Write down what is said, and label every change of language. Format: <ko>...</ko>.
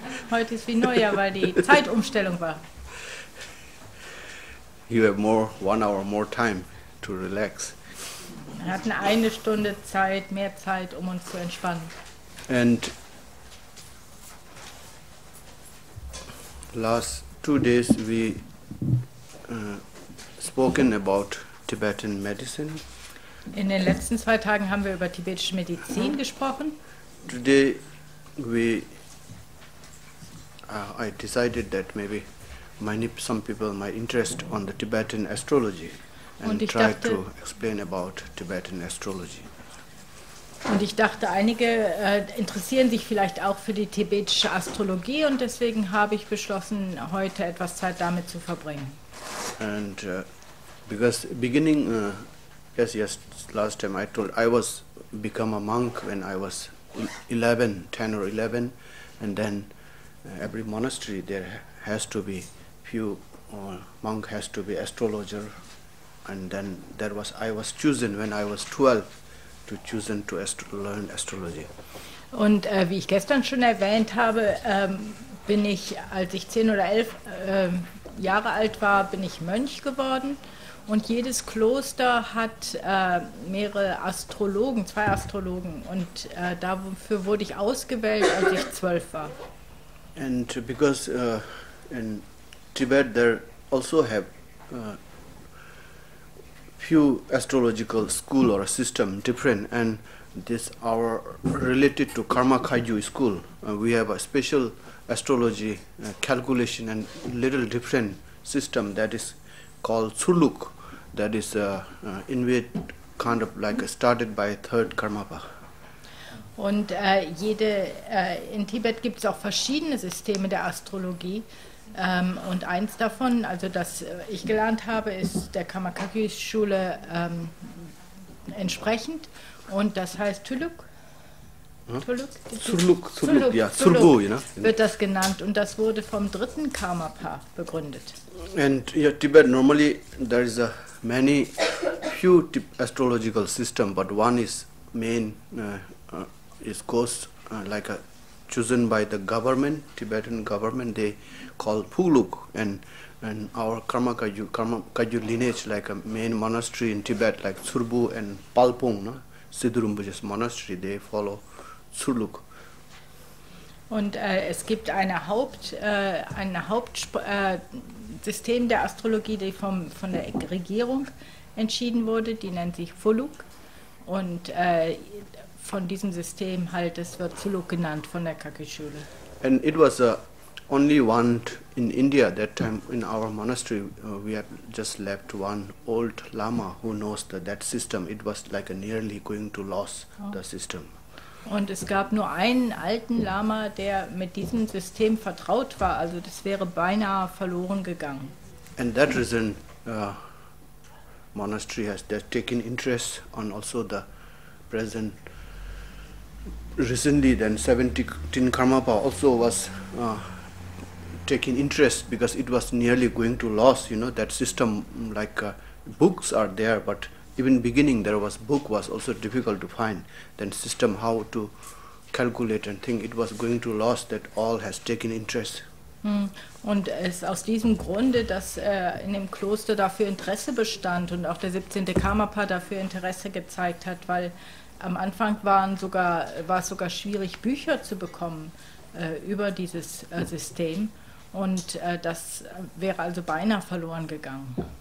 <de>Heute ist wie Neujahr, weil die Zeitumstellung war.</de> <en>You have more 1 hour more time to relax.</en> <de>Wir hatten eine Stunde Zeit, mehr Zeit, um uns zu entspannen.</de> <en>And last 2 days we spoken about Tibetan medicine.</en> <de>In den letzten 2 Tagen haben wir über tibetische Medizin gesprochen.</de> <en>Today we I decided that maybe some people might interest on the Tibetan astrology and try to explain about Tibetan astrology.</en> <de>Und ich dachte, einige interessieren sich vielleicht auch für die tibetische Astrologie, und deswegen habe ich beschlossen, heute etwas Zeit damit zu verbringen.</de> <en>And because beginning, yes, last time I told, I was become a monk when I was 11, 10 or 11, and then every monastery there has to be few monk has to be astrologer, and then there was I was chosen when I was 12. To choose and to learn astrology.</en> <de>Und wie ich gestern schon erwähnt habe, bin ich, als ich 10 oder 11 Jahre alt war, bin ich Mönch geworden. Und jedes Kloster hat mehrere Astrologen, 2 Astrologen. Und dafür wurde ich ausgewählt, als ich 12 war.</de> <en>And because in Tibet there also have few astrological school or a system different, and this our related to Karma Kagyu school. We have a special astrology calculation and little different system that is called Suluk, that is invade kind of like started by third Karmapa.</en> <de>Und jede in Tibet gibt es auch verschiedene Systeme der Astrologie. Und eins davon, also das ich gelernt habe, ist der Kamakaki-Schule entsprechend, und das heißt Tuluk. Wird das genannt, und das wurde vom dritten Karmapa begründet.</de> <en>And yeah, Tibet normally there is a many few astrological system, but one is main is caused like a chosen by the government, Tibetan government, they call Puluk, and our Karmakagyu lineage, like a main monastery in Tibet, like Tsurbu and Palpung, no? Sidurumbuja's monastery, they follow Tsurluk.</en> <de>Und es gibt ein Hauptsystem der Astrologie, die von der Regierung entschieden wurde, die nennt sich Puluk, und von diesem System halt, es wird Suluk genannt von der Kaki-Schule.</de> <en>And it was only one in India that time in our monastery. We had just left one old Lama who knows that system. It was like nearly going to lose the system.</en> <de>Und es gab nur einen alten Lama, der mit diesem System vertraut war. Also das wäre beinahe verloren gegangen.</de> <en>And that reason, monastery has taken interest on also the present. Recently, then 17 Karmapa also was taking interest because it was nearly going to loss, you know, that system, like books are there, but even beginning there was book was also difficult to find. Then system, how to calculate and think, it was going to loss, that all has taken interest.</en> <de>Und es ist aus diesem Grunde, dass in dem Kloster dafür Interesse bestand und auch der 17. Karmapa dafür Interesse gezeigt hat, weil am Anfang war es sogar schwierig, Bücher zu bekommen über dieses System, und das wäre also beinahe verloren gegangen.</de>